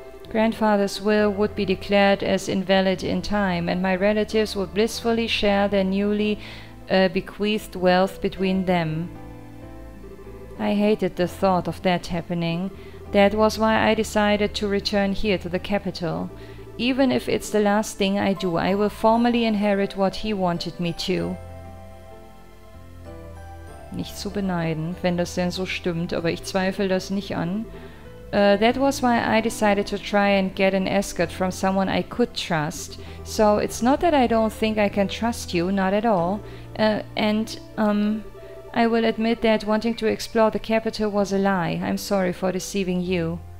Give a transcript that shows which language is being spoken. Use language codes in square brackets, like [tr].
[en] Grandfather's will would be declared as invalid in time, and my relatives would blissfully share their newly bequeathed wealth between them. I hated the thought of that happening. That was why I decided to return here to the capital. Even if it's the last thing I do, I will formally inherit what he wanted me to. [de] Nicht zu beneiden, wenn das denn so stimmt, aber ich zweifle das nicht an. [en] That was why I decided to try and get an escort from someone I could trust. So it's not that I don't think I can trust you, not at all. I will admit that wanting to explore the capital was a lie. I'm sorry for deceiving you.